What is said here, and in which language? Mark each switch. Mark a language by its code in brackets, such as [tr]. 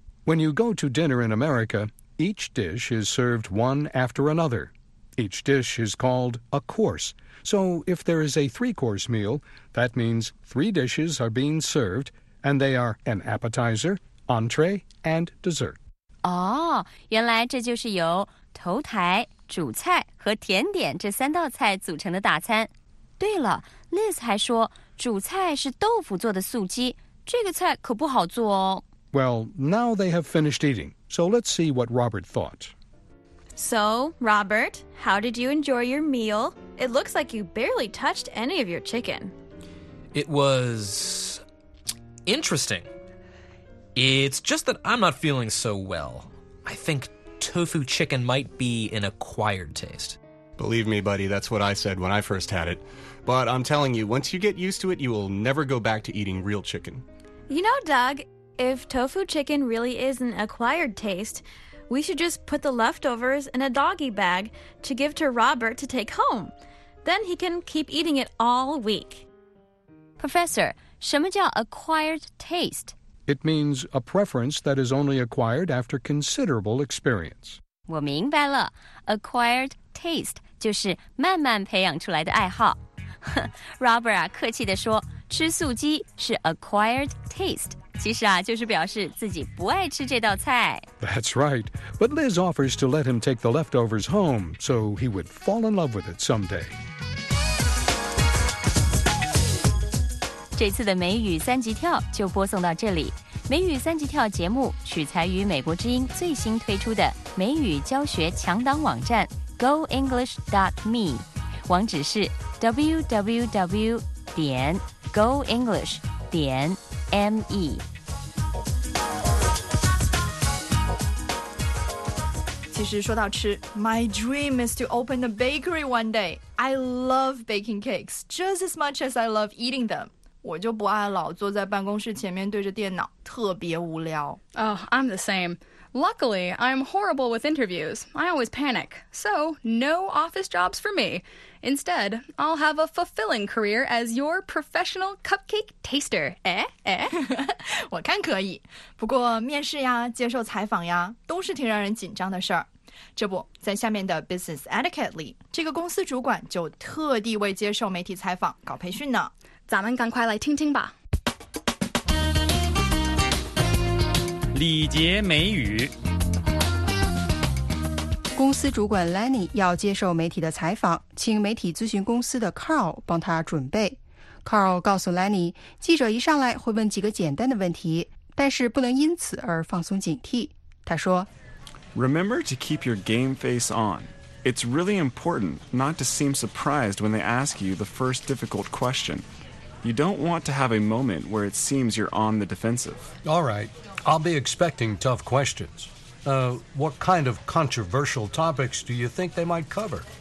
[en] When you go to dinner in America, each dish is served one after another. Each dish is called a course. So if there is a 3-course meal, that means 3 dishes are being served, and they are an appetizer, entree, and dessert. [zh] 哦，原来这就是由头台、主菜和甜点这三道菜组成的大餐。对了 ，Liz 还说主菜是豆腐做的素鸡，这个菜可不好做哦。 [en] Well, now they have finished eating, so let's see what Robert thought. So, Robert, how did you enjoy your meal? It looks like you barely touched any of your chicken. It was interesting. It's just that I'm not feeling so well. I think tofu chicken might be an acquired taste. Believe me, buddy, that's what I said when I first had it. But I'm telling you, once you get used to it, you will never go back to eating real chicken. You know, Doug, if tofu chicken really is an acquired taste, we should just put the leftovers in a doggy bag to give to Robert to take home. Then he can keep eating it all week. Professor, [zh] 什么叫 [en] acquired taste? It means a preference that is only acquired after considerable experience. [zh] 我明白了 , [en] acquired taste [zh] 就是慢慢培养出来的爱好。 Robert 啊，客气地说，吃素鸡是 [en] acquired taste， [zh] 其实啊，就是表示自己不爱吃这道菜。 [en] That's right. But Liz offers to let him take the leftovers home, so he would fall in love with it someday. [zh] 这次的美语三级跳就播送到这里。美语三级跳节目取材于美国之音最新推出的美语教学强档网站 GoEnglish.me， 网址是www.goenglish.me。其实说到吃 [en] My dream is to open a bakery one day. I love baking cakes just as much as I love eating them. [zh] 我就不爱老坐在办公室前面对着电脑，特别无聊。 [en] Oh, I'm the same. Luckily, I'm horrible with interviews. I always panic. So, no office jobs for me. Instead, I'll have a fulfilling career as your professional cupcake taster. [zh] 哎哎，我看可以。不过面试呀，接受采访呀，都是挺让人紧张的事儿。这不，在下面的 [en] business etiquette [zh] 里，这个公司主管就特地为接受媒体采访搞培训呢。咱们赶快来听听吧。礼节美语。公司主管 Lenny 要接受媒体的采访，请媒体咨询公司的 Carl 帮他准备。 Carl 告诉 Lenny， 记者一上来会问几个简单的问题，但是不能因此而放松警惕。他说 [en] Remember to keep your game face on. It's really important not to seem surprised when they ask you the first difficult question. You don't want to have a moment where it seems you're on the defensive. All right, I'll be expecting tough questions. What kind of controversial topics do you think they might cover?